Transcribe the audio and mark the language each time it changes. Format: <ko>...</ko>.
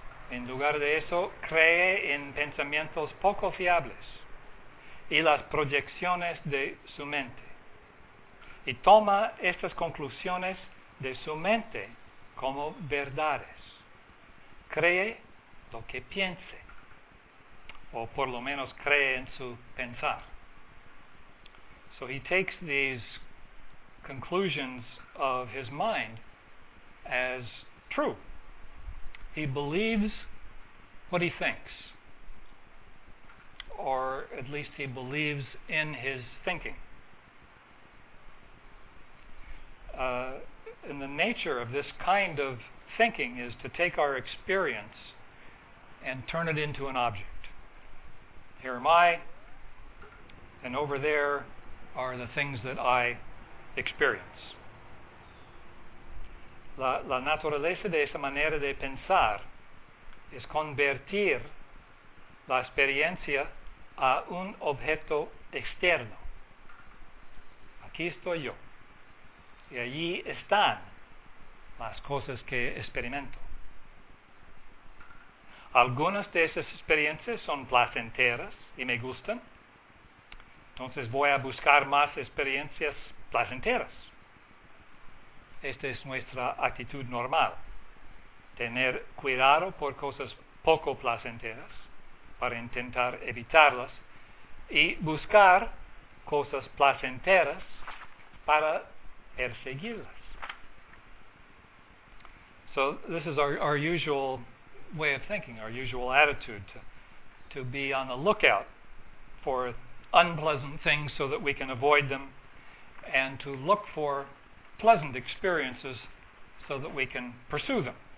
<es>En lugar de eso, cree en pensamientos poco fiables y las proyecciones de su mente. Y toma estas conclusiones de su mente como verdades. Cree lo que piense, o por lo menos cree en su pensar.</es> <en>So he takes these conclusions of his mind as true. He believes what he thinks, or at least he believes in his thinking. And the nature of this kind of thinking is to take our experience and turn it into an object. Here am I, and over there are the things that I experience.</en> <es>La naturaleza de esa manera de pensar es convertir la experiencia a un objeto externo. Aquí estoy yo, y allí están las cosas que experimento. Algunas de esas experiencias son placenteras y me gustan, entonces voy a buscar más experiencias placenteras. Esta es nuestra actitud normal, tener cuidado por cosas poco placenteras para intentar evitarlas y buscar cosas placenteras para perseguirlas.</es> <en>So this is our usual way of thinking, our usual attitude, to be on the lookout for unpleasant things so that we can avoid them, and to look for pleasant experiences so that we can pursue them.</en>